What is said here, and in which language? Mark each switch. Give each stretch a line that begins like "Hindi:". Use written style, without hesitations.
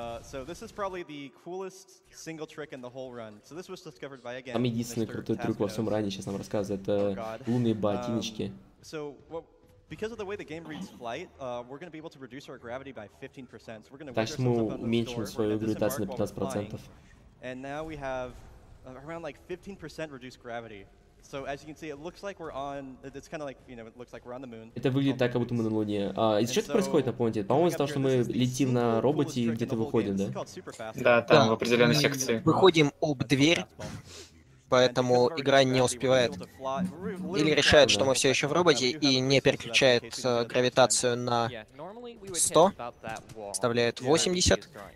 English: So this is probably the coolest single trick in the whole run. So this was discovered by again.
Russian: Самый единственный крутой трюк во всем ране сейчас нам рассказывает это лунные ботиночки.
English: So what? Because of the way the game reads flight, we're going to be able to reduce our gravity by 15%. So we're going to reduce our
Russian: уменьшим свою гравитацию на 15%.
English: And now we have around like 15% reduced gravity. So as you can see, it looks like we're on. It's kind of like, you know, it looks like we're on the moon.
Russian: Это выглядит так, как будто мы на Луне. А из чего это происходит, напомните? По-моему, из-за того, что мы летим на роботе и где-то выходим, да? Да, там в определенной секции. Выходим об дверь. Поэтому игра не успевает или решает, что мы все еще в роботе и не переключает гравитацию на 100, вставляет 80.